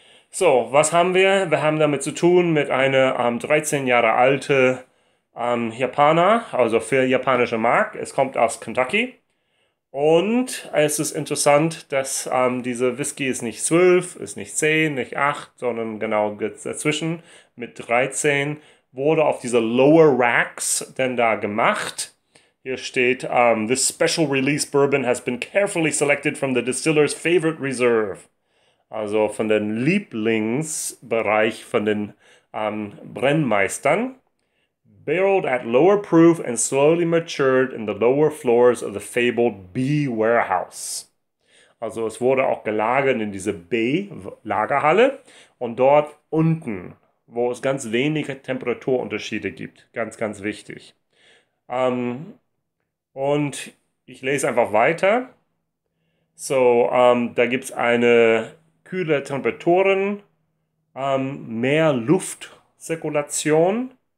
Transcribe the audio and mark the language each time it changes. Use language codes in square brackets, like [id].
[de] So, was haben wir? Wir haben damit zu tun mit einer 13 Jahre alte Japaner, also für japanische Mark. Es kommt aus Kentucky. Und es ist interessant, dass diese Whisky ist nicht 12, ist nicht 10, nicht 8, sondern genau dazwischen mit 13 wurde auf diese Lower Racks denn da gemacht. Hier steht, [en] this special release bourbon has been carefully selected from the distiller's favorite reserve. [de] Also von den Lieblingsbereich von den Brennmeistern. [en] Barreled at lower proof and slowly matured in the lower floors of the fabled B Warehouse. [de] Also es wurde auch gelagert in diese B-Lagerhalle und dort unten, wo es ganz wenige Temperaturunterschiede gibt. Ganz, ganz wichtig. Und ich lese einfach weiter. So, da gibt es eine kühle Temperaturen, mehr Luftzirkulation.